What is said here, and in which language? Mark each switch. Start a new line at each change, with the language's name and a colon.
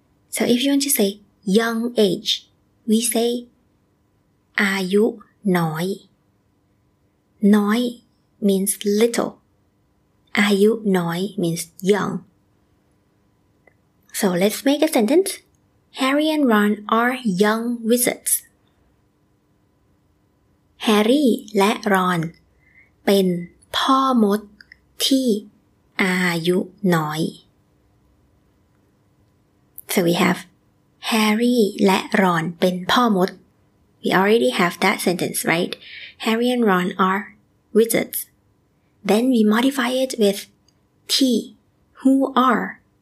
English: So if you want to say young age, we say
Thai: อายุน้อยน้อย
English: means little
Thai: อายุน้อย
English: means young so let's make a sentence Harry and Ron are young wizards
Thai: Harry และ Ron เป็นพ่อมดที่อายุน้อย
English: so we have
Thai: Harry และ Ron เป็นพ่อมด
English: We already have that sentence, right? Harry and Ron are wizards. Then we modify it with T, who are.